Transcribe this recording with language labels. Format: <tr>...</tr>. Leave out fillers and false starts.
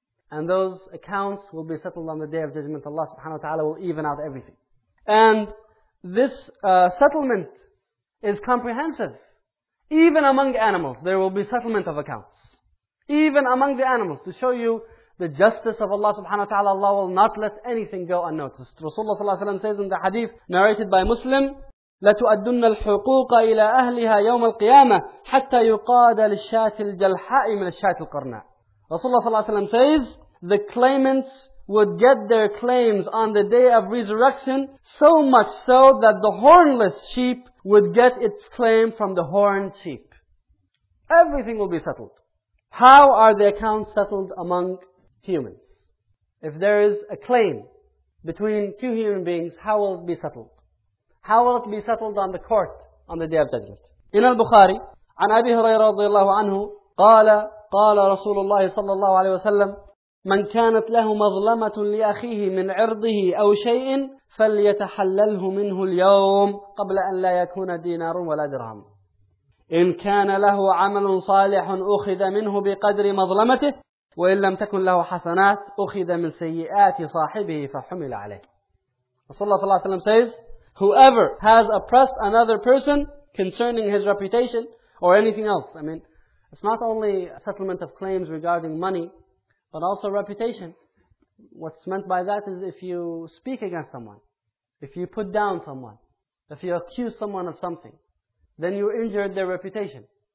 <en>And those accounts will be settled on the Day of Judgment. Allah subhanahu wa ta'ala will even out everything. And this settlement is comprehensive. Even among animals, there will be settlement of accounts. Even among the animals, to show you the justice of Allah subhanahu wa ta'ala, Allah will not let anything go unnoticed. Rasulullah sallallahu alayhi wa sallam says in the hadith narrated by Muslim,</en> <ar>لَتُؤَدُّنَّ الْحُقُوقَ إِلَىٰ أَهْلِهَا يَوْمَ الْقِيَامَةِ حَتَّى يُقَادَ لِلشَّاتِ الْجَلْحَاءِ مِنَ الشَّاتِ الْقَرْنَىٰ.</ar> <en>Rasulullah sallallahu alayhi wa sallam says, the claimants would get their claims on the Day of Resurrection so much so that the hornless sheep would get its claim from the horned sheep. Everything will be settled. How are the accounts settled among humans? If there is a claim between two human beings, how will it be settled? How will it be settled on the court on the Day of Judgment? In al-Bukhari,</en> <ar>عن أبي هريرة رضي الله عنه قال قال رسول الله صلى الله عليه وسلم من كانت له مظلمة لأخيه من عرضه أو شيء فليتحلله منه اليوم قبل أن لا يكون دينار ولا درهم. إن كان له عمل صالح أخذ منه بقدر مظلمته وإن لم تكن له حسنات أخذ من سيئات صاحبه فحمل عليه.</ar> <en>Rasulullah صلى الله عليه وسلم says, whoever has oppressed another person concerning his reputation or anything else. I mean, it's not only a settlement of claims regarding money, but also reputation. What's meant by that is if you speak against someone, if you put down someone, if you accuse someone of something, then you injured their reputation.</en>